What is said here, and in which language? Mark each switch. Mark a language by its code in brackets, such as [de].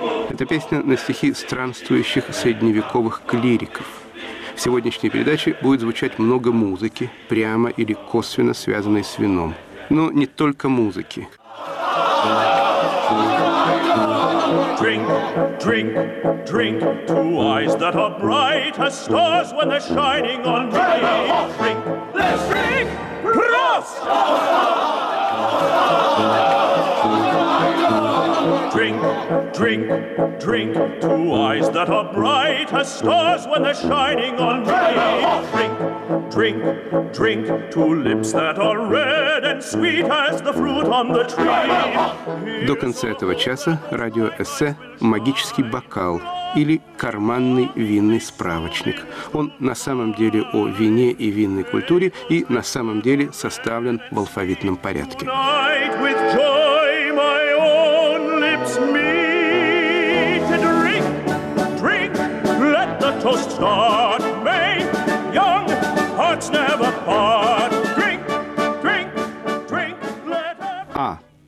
[ru] Эта песня на стихи странствующих средневековых клириков. В сегодняшней передаче будет звучать много музыки, прямо или косвенно связанной с вином. Но не только музыки. [en] Drink, drink, drink to eyes that are bright as stars when they're shining on me. Drink, let's drink, Prost! Drink, drink, drink to eyes that are bright as stars when they're shining on me. Drink, drink, drink to lips that are red and sweet as the fruit on the tree. [ru] До конца этого часа радиоэссе «Магический бокал» или «Карманный винный справочник». Он на самом деле о вине и винной культуре и на самом деле составлен в алфавитном порядке. А.